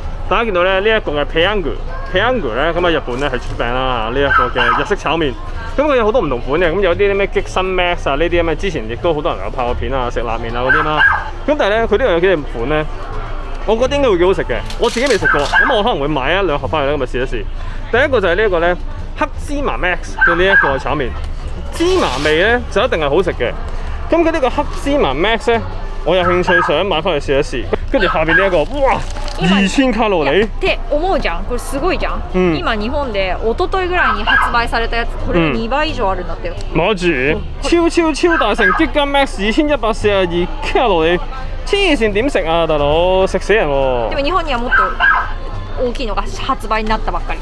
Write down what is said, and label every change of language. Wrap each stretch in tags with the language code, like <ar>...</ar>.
<yue>大家見到咧呢一個嘅 Peyangu 咧，咁喺日本咧係出名啦嚇。呢一個嘅日式炒面，咁佢有好多唔同款嘅，咁有啲咩激辛 Max 啊呢啲咁嘅，之前亦都好多人有拍過片啊，食辣面啊嗰啲啦。咁但係咧，佢呢度有幾種款咧，我覺得應該會幾好食嘅。我自己未食過，咁我可能會買一兩盒翻嚟咧，咁咪試一試。第一個就係呢一個咧黑芝麻 Max 嘅呢一個炒面，芝麻味咧就一定係好食嘅。咁佢呢個黑芝麻 Max 咧，我有興趣想買翻嚟試一試。跟住下邊呢一個，哇，2000卡路里。</yue> <ja>って思うじゃん。これすごいじゃん。今日本で一昨日ぐらいに発売されたやつ、これ2倍以上あるんだってよ。マジ？</ja> <yue>超大成激辛 Max 2142卡路里。黐線點食啊，大佬，食死人喎。</yue> <ja>でも日本にはもっと大きいのが発売になったばっかり。</ja>